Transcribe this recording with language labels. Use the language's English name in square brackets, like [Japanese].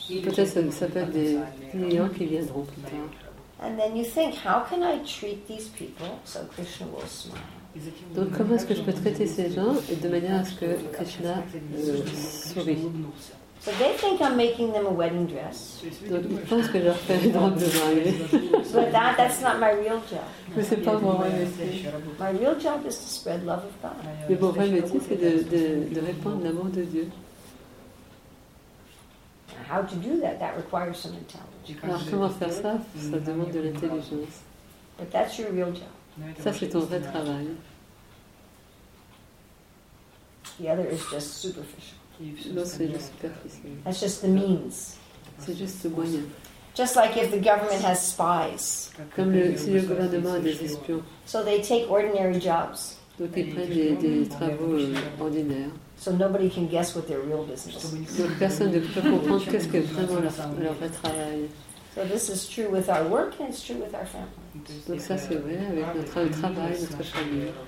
[French] Peut-être ça peut être des clients qui viendront plus tard. [English] And then you think, how can I treat these people so Krishna will smile? [French] Donc comment est-ce que je peux traiter ces gens de manière à ce que Krishna sourie? [English] So they think I'm making them a wedding dress. [French] Donc ils pensent que je leur fais une robe de mariée. [English] But that's not my real job. [French] Mais c'est pas mon vrai métier. [English] My real job is to spread love of God. [French] Mais mon vrai métier, c'est de répandre l'amour de Dieu. [English] How to do that? That requires some intelligence. [French] Alors comment faire ça? Ça demande de l'intelligence. [English] But that's your real job. [French] Ça, c'est ton vrai travail. [English] The other is just superficial. [French] Non, c'est juste superficiel. [English] That's just the means. [French] C'est juste le moyen. [English] Just like if the government has spies. [French] Comme si le gouvernement a des espions. [English] So they take ordinary jobs. [French] Donc ils prennent des travaux ordinaires. [English] So nobody can guess what their real business is. [French] Donc personne ne peut comprendre qu'est-ce que vraiment leur vrai travail. [English] So this is true with our work and it's true with our family. [French] Donc ça c'est vrai avec notre travail, notre famille.